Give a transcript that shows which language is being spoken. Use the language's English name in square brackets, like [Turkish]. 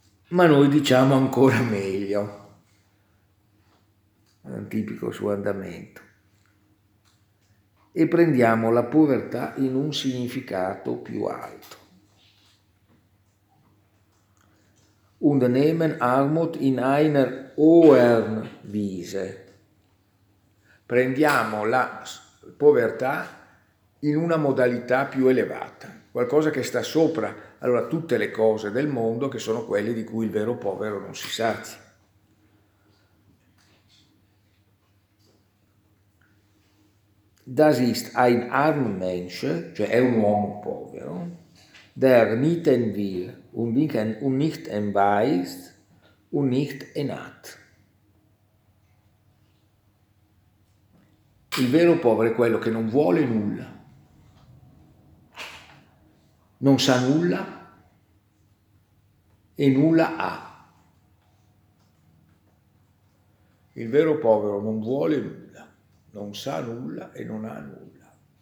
[Italian] Ma noi diciamo ancora meglio, un tipico suo andamento, e prendiamo la povertà in un significato più alto. [German] Und nehmen Armut in einer höheren Weise. [Italian] Prendiamo la povertà in una modalità più elevata, qualcosa che sta sopra, allora, tutte le cose del mondo che sono quelle di cui il vero povero non si sazia. [German] Das ist ein arm Mensch, [Italian] cioè è un uomo povero, [German] der nicht en will und nicht en weiß und nicht en hat. [Italian] Il vero povero è quello che non vuole nulla, non sa nulla e nulla ha. Il vero povero non vuole nulla, non sa nulla e non ha nulla.